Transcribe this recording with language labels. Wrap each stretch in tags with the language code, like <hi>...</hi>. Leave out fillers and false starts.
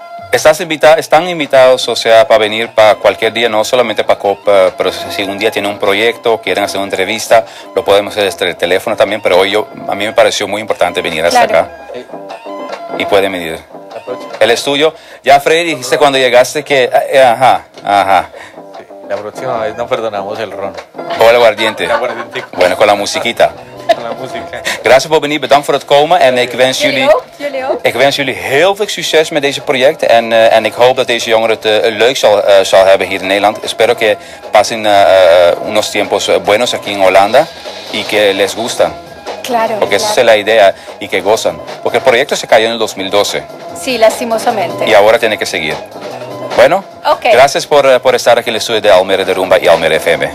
<es>Están invitados, o sea, para venir para cualquier día, no solamente para COP, pero si un día tienen un proyecto, quieren hacer una entrevista, lo podemos hacer desde el teléfono también, pero hoy a mí me pareció muy importante venir hasta acá. Y pueden venir. El estudio. Ya, Freddy, dijiste cuando llegaste que... Ajá. Sí, la próxima vez no perdonamos el ron. O el aguardiente. Bueno, con la musiquita. Gracias</es> <nl>voor het benieuwd, bedankt voor het komen en ik wens jullie, ik wens jullie heel veel succes met deze project en ik hoop dat deze jongeren het leuk zal hebben hier in Nederland.</nl> <es>Espero que pasen unos tiempos buenos aquí en Holanda y que les gustan. Claro. Porque claro. Esa es la idea y que gozan. Porque el proyecto se cayó en el 2012. Sí, lastimosamente. Y ahora tiene que seguir. Bueno, okay. Gracias por estar aquí en el estudio de Almere de Rumba y Almere FM.</es>